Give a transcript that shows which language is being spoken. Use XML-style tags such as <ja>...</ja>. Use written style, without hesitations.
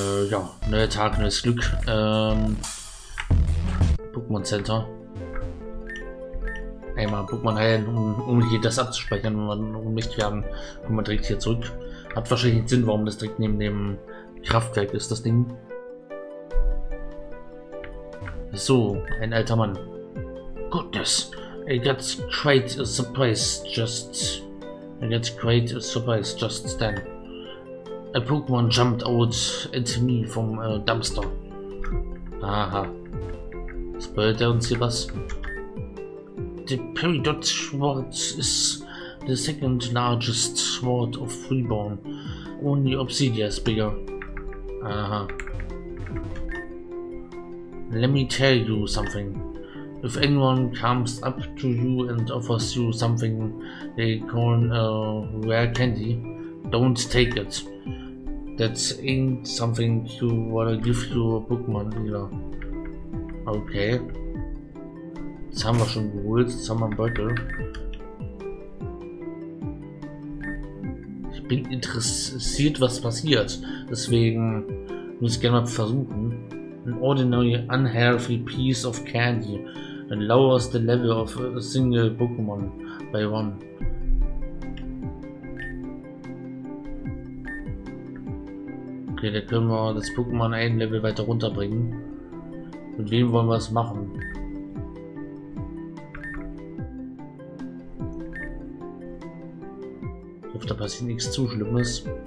<de>Ja, neuer Tag, neues Glück. Pokémon Center. Einmal Pokémon heilen, um hier das abzuspeichern, wenn man ohnmächtig werden, kommt man direkt hier zurück. Hat wahrscheinlich nicht Sinn, warum das direkt neben dem Kraftwerk ist, das Ding. So, ein alter Mann.</de> <en>Goodness, I got quite a surprise just then. A Pokémon jumped out at me from a dumpster. Aha.</en> <de>Spoilt er uns hier was?</de> <en>The Peridot Sword is the second largest sword of Freeborn. Only Obsidian is bigger. Aha. Let me tell you something. If anyone comes up to you and offers you something they call rare candy, don't take it. That ain't something you wanna give to a Pokémon either.</en> <de>Okay. Das haben wir schon geholt, jetzt haben wir einen Beutel. Ich bin interessiert, was passiert. Deswegen muss ich gerne mal versuchen.</de> <en>An ordinary unhealthy piece of candy and lowers the level of a single Pokémon by one.</en> <de>Okay, da können wir das Pokémon ein Level weiter runterbringen. Mit wem wollen wir es machen? Ich hoffe, da passiert nichts zu Schlimmes.</de>